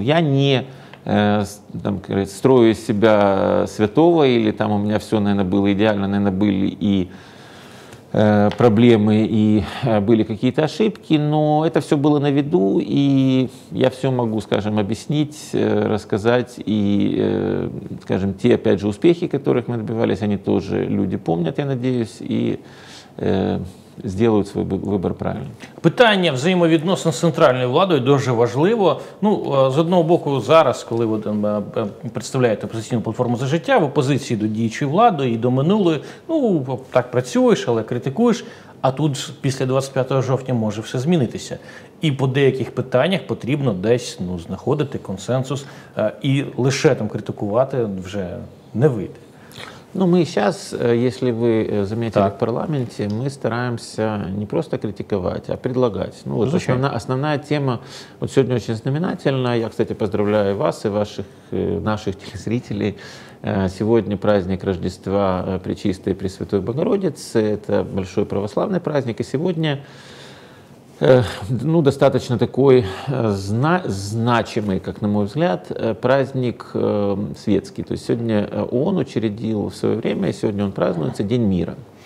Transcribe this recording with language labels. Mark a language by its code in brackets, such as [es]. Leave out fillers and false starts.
[ru] Я не там, строю из себя святого, или там у меня все, наверное, было идеально, наверное, были и проблемы, и были какие-то ошибки, но это все было на виду, и я все могу, скажем, объяснить, рассказать, и, скажем, те, опять же, успехи, которых мы добивались, они тоже люди помнят, я надеюсь, и сделают свой выбор правильно. [uk] Питання взаємовідносин з центральною владою дуже важливо. Ну, з одного боку, зараз, коли ви там представляєте опозиційну платформу «За життя», в опозиції до діючої влади і до минулої, ну, так працюєш, але критикуєш, а тут після 25 жовтня може все змінитися. І по деяких питаннях потрібно десь, ну, знаходити консенсус, і лише там критикувати вже не вийде. [ru] Ну, мы сейчас, если вы заметили, так, в парламенте, мы стараемся не просто критиковать, а предлагать. Ну, вот основная тема, вот сегодня очень знаменательная, я, кстати, поздравляю вас и наших телезрителей. Сегодня праздник Рождества Пречистой и Пресвятой Богородицы, это большой православный праздник, и сегодня, ну, достаточно такой значимый, как на мой взгляд, праздник светский. То есть сегодня ООН учредил в свое время, и сегодня он празднуется, День мира.